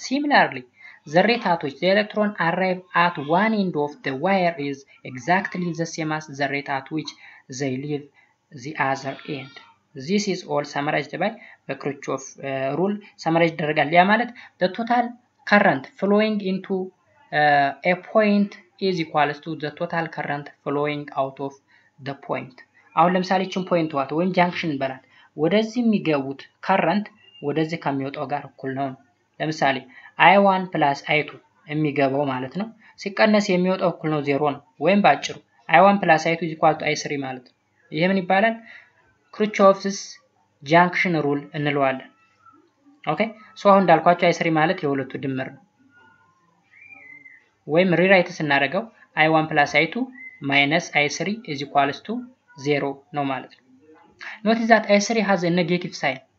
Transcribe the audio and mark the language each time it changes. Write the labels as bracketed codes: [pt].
[en] similarly the rate at which the electron arrive at one end of the wire is exactly the same as the rate at which they leave the other end. This is all summarized by the kirchoff rule. summarized [am] ያደርጋል ያ ማለት [en] the total current flowing into a point is equal to the total current flowing out of the point. [am] አሁን ለምሳሌ እቺን point ዋት ወይም junction ብላት ወደዚህ የሚገቡት current ወደዚህ ከሚወጣው ጋር እኩል ነው። ለምሳሌ [en] i1 plus i2 [am] የሚገባው ማለት ነው ሲቀነስ የሚወጣው እኩል ነው 0 ነው። ወይም ባጭሩ [en] i1 plus i2 is equal to i3 [am] ማለት ነው። ይሄ ምን ይባላል? kirchoff's junction rule እንለዋለን። ኦኬ ሶ አሁን እንዳልኳችሁ i3 ማለት የሁለቱ ድምር ነው። ወይም ሪራይትስ እናደርገው [en] i1 plus i2 minus i3 is equal to 0 [am] ነው ማለት ነው። [en] notice that i3 has a negative sign.